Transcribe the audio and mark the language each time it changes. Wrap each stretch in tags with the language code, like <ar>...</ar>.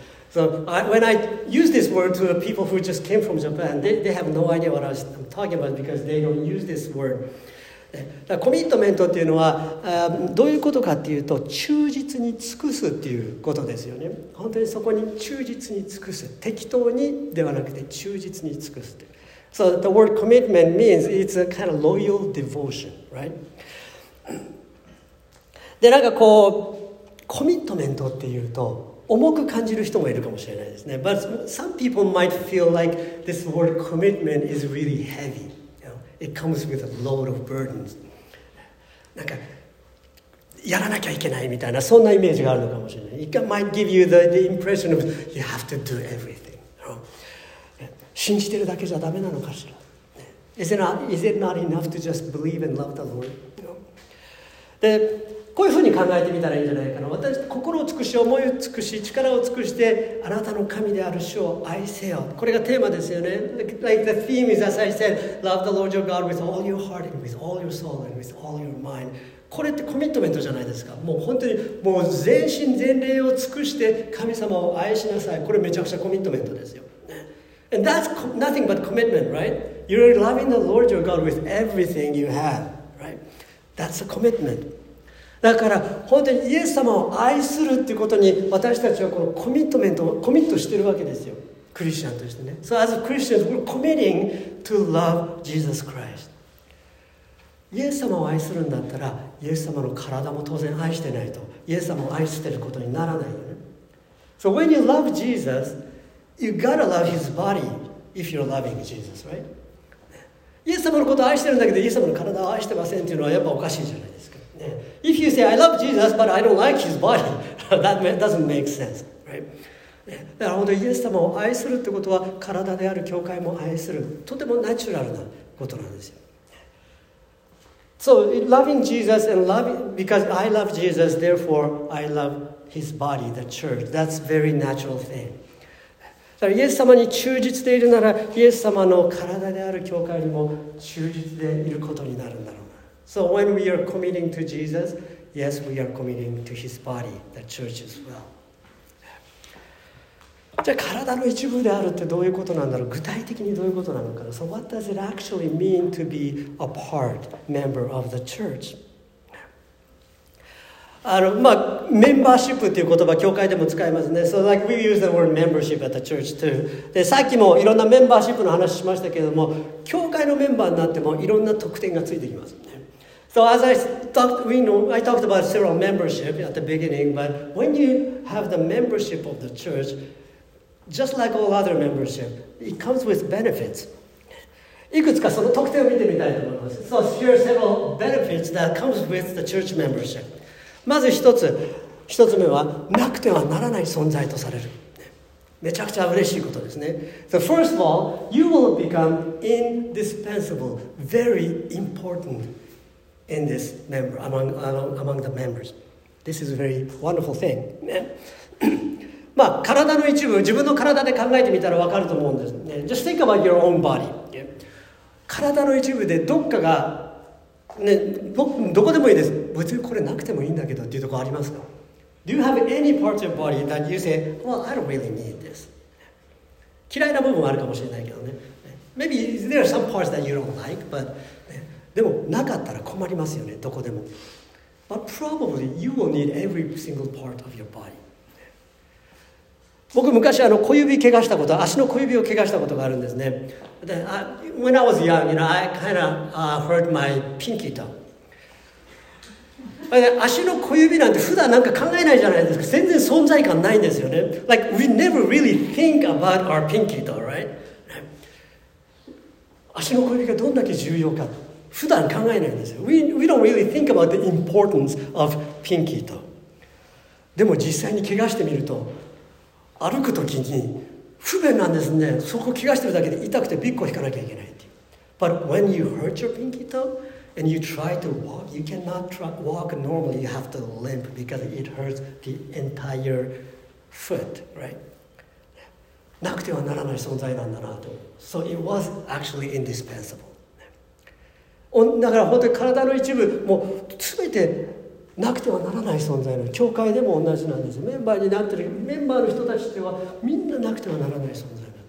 <en>So when I use this word to the people who just came from Japan, they have no idea what I'm talking about because they don't use this word.</en> <ja>だコミットメントっていうのは、どういうことかっていうと、忠実に尽くすっていうことですよね。本当にそこに忠実に尽くす。適当にではなくて忠実に尽くすって。</ja> <en>So the word commitment means it's a kind of loyal devotion, right?</en> <ja>で、なんかこう、コミットメントっていうと、重く感じる人もいるかもしれないですね。</ja> <en>But some people might feel like this word commitment is really heavy. You know, it comes with a load of burdens.</en> <ja>なんか、やらなきゃいけないみたいな、そんなイメージがあるのかもしれない。</ja> <en>It might give you the impression of you have to do everything. You know?</en> <ja>信じてるだけじゃダメなのかしら。</ja> <en>Is it not enough to just believe and love the Lord? You know?</en> <ja>でこういうふうに考えてみたらいいんじゃないかな。私、心を尽くし、思いを尽くし、力を尽くして、あなたの神である主を愛せよ。これがテーマですよね。</ja> <en>Like the theme is, as I said, love the Lord your God with all your heart and with all your soul and with all your mind.</en> <ja>これってコミットメントじゃないですか。もう本当に、もう全身全霊を尽くして神様を愛しなさい。これめちゃくちゃコミットメントですよ。</ja> <en>And that's nothing but commitment, right? You're loving the Lord your God with everything you have, right? That's a commitment.</en> <ja>だから本当にイエス様を愛するっていうことに私たちはこのコミットメントをコミットしてるわけですよ。クリスチャンとしてね。</ja> <en>So as a Christian, we're committing to love Jesus Christ.</en> <ja>イエス様を愛するんだったらイエス様の体も当然愛してないとイエス様を愛してることにならないよね。</ja> <en>So when you love Jesus, you gotta love his body if you're loving Jesus, right?</en> <ja>イエス様のことを愛してるんだけどイエス様の体を愛してませんっていうのはやっぱおかしいじゃないですか。</ja> <en>If you say, I love Jesus, but I don't like his body, that doesn't make sense, right?</en> <ja>だから本当にイエス様を愛するってことは、体である教会も愛する、とてもナチュラルなことなんですよ。</ja> <en>So, loving Jesus and loving, because I love Jesus, therefore I love his body, the church. That's a very natural thing.</en> <ja>だからイエス様に忠実でいるなら、イエス様の体である教会にも忠実でいることになるんだろう。</ja> <en>So when we are committing to Jesus, yes, we are committing to His body, the church as well.</en> <ja>じゃあ体の一部であるってどういうことなんだろう？具体的にどういうことなのかな？</ja> <en>So what does it actually mean to be a part, member of the church?</en> <ja>メンバーシップっていう言葉教会でも使いますね。</ja> <en>So like we use the word membership at the church too.</en> <ja>でさっきもいろんなメンバーシップの話しましたけれども、教会のメンバーになってもいろんな特典がついてきます、ね。</ja> <en>So as I talked, we know, I talked about several membership at the beginning, but when you have the membership of the church, just like all other membership, it comes with benefits.</en> <ja>いくつかその特典を見てみたいと思います。</ja> <en>So here are several benefits that comes with the church membership.</en> <ja>まず一つ目は、なくてはならない存在とされる。めちゃくちゃ嬉しいことですね。</ja> <en>So first of all, you will become indispensable, very important. In this member, among the members. This is a very wonderful thing.</en> <ja>まあ、体の一部、自分の体で考えてみたら分かると思うんですね。</ja> <en>Just think about your own body. Yeah.</en> <ja>体の一部でどっかが、ね、どこでもいいです。別にこれなくてもいいんだけどっていうところありますか?</ja> <en>Do you have any part of your body that you say, well, I don't really need this?</en> <ja>嫌いな部分はあるかもしれないけどね。</ja> <en>Maybe there are some parts that you don't like, but...</en> <ja>でもなかったら困りますよね、どこでも。</ja> <en>But probably you will need every single part of your body.</en> <ja>僕昔足の小指を怪我したことがあるんですね。</ja> <en>When I was young, you know, I kind of hurt my pinky toe.</en> <ja>足の小指なんて普段なんか考えないじゃないですか。全然存在感ないんですよね。</ja> <en>Like we never really think about our pinky toe, right?</en> <ja>足の小指がどんだけ重要か。普段考えないんですよ。</ja> <en>We don't really think about the importance of pinky toe.</en> <ja>でも実際に怪我してみると、歩くときに不便なんですね。そこ怪我してるだけで痛くてびっこ引かなきゃいけないっていう。</ja> <en>But when you hurt your pinky toe and you try to walk, you cannot walk normally. You have to limp because it hurts the entire foot, right?</en> <ja>なくてはならない存在なんだなと。</ja> <en>So it was actually indispensable.</en> <ja>だから本当に体の一部もう全てなくてはならない存在の教会でも同じなんです。メンバーになってるメンバーの人たちではみんななくてはならない存在なの。</ja>